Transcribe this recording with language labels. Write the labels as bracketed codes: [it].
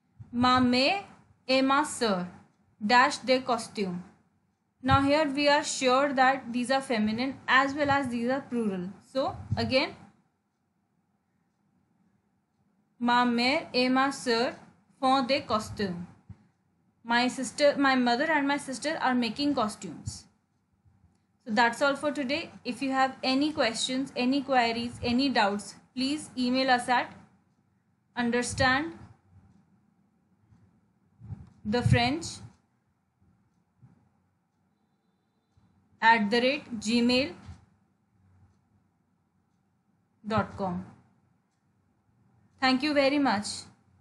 [fr] Ma mère et ma sœur dash des costumes. [en] Now here we are sure that these are feminine as well as these are plural. [fr] So again, ma mère et ma sœur font des costumes. [en] My sister, my mother and my sister are making costumes. So that's all for today. If you have any questions, any queries, any doubts, please email us at understandthefrench@gmail.com. Thank you very much.